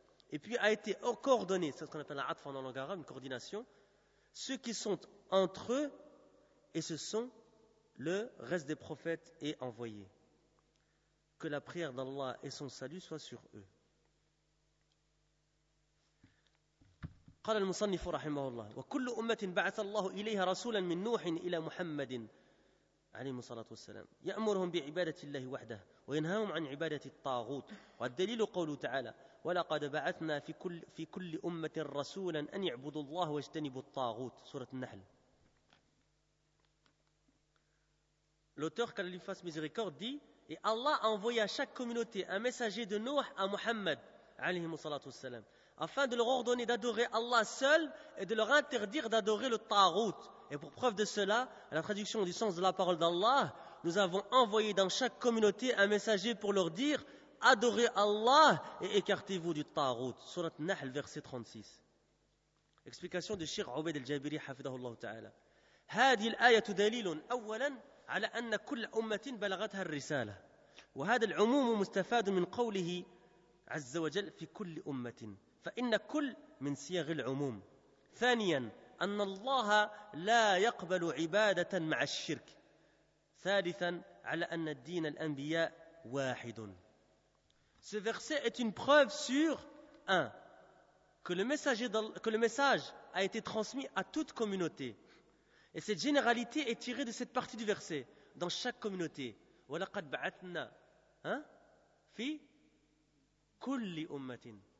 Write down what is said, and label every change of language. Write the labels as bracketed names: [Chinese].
[French] Et puis a été coordonné, c'est ce qu'on appelle un atfa dans la langue arabe, une coordination, ceux qui sont entre eux et ce sont le reste des prophètes et envoyés. Que la prière d'Allah et son salut soient sur eux. [Arabic] قال المصنف رحمه الله وكل أمة بعث الله إليها رسولا من نوح إلى محمد عليه الصلاة والسلام يأمرهم بعبادة الله وحده وينهاهم عن عبادة الطاغوت. والدليل قوله تعالى ولقد بعثنا في كل أمة رسولا أن يعبدوا الله واجتنبوا الطاغوت سورة النحل. [French] L'auteur qu'Allah lui fasse miséricorde dit: et Allah envoya chaque communauté un messager de Nuh à Muhammad [Arabic] عليه الصلاة والسلام [French] afin de leur ordonner d'adorer Allah seul et de leur interdire d'adorer le Tagout. Et pour preuve de cela, à la traduction du sens de la parole d'Allah, nous avons envoyé dans chaque communauté un messager pour leur dire « Adorez Allah et écartez-vous du Tagout » Surat Nahl, verset 36. Explication de Cheikh Ubayd al-Jabiri, hafidhahullah ta'ala. [Arabic] « هذه الآية دليل أولا على أن كل أمة بلغتها الرسالة وهذا العموم مستفاد من قوله عز وجل في كل أمة فإن كل من صيغ العموم. ثانيا أن الله لا يقبل عبادة مع الشرك. ثالثا على أن الدين الأنبياء واحد. [French] Ce verset est une preuve sur 1. Que le message a été transmis à toute communauté. Et cette généralité est tirée de cette partie du verset dans chaque communauté. [Arabic] وَلَقَدْ بَعَثْنَا فِي كُلِّ أُمَّةٍ.